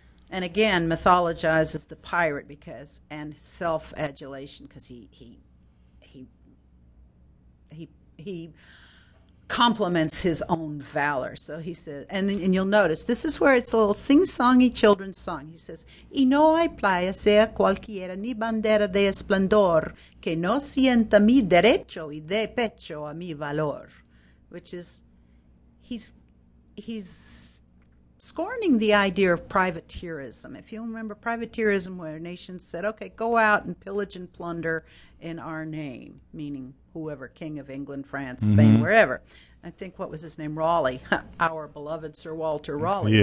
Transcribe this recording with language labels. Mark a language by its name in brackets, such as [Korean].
[English] And again, mythologizes the pirate because, and self-adulation because he compliments his own valor. So he says, and you'll notice, this is where it's a little sing-songy children's song. He says, [Spanish] y no hay playa sea cualquiera ni bandera de esplendor que no sienta mi derecho y de pecho a mi valor. [English] Which is, he's scorning the idea of privateerism. If you remember privateerism, where nations said, okay, go out and pillage and plunder in our name, meaning whoever, king of England, France, Spain, mm-hmm. wherever. I think, what was his name? Raleigh. Our beloved Sir Walter Raleigh.